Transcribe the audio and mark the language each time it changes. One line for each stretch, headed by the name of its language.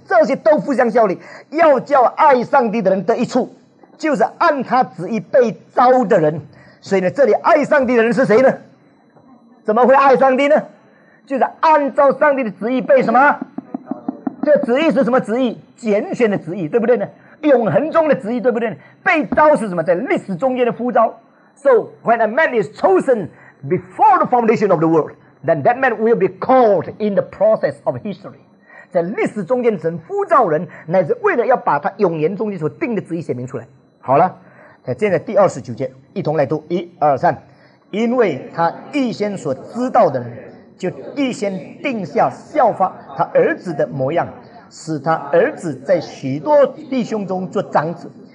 Chinese: 这些都互相效力，要叫爱上帝的人得益处，就是按他旨意被召的人。所以呢，这里爱上帝的人是谁呢？怎么会爱上帝呢？就是按照上帝的旨意被什么？这旨意是什么旨意？拣选的旨意，对不对呢？永恒中的旨意，对不对呢？被召是什么？在历史中间的呼召。
English: So when a man is chosen before the foundation of the world, then that man will be called in the process of history.
Chinese: 在历史中间，神呼召人，乃是为了要把他永恒中间所定的旨意显明出来。好了。现在第二十九节一同来读，一二三，因为他预先所知道的人，就预先定下效法他儿子的模样，使他儿子在许多弟兄中做长子，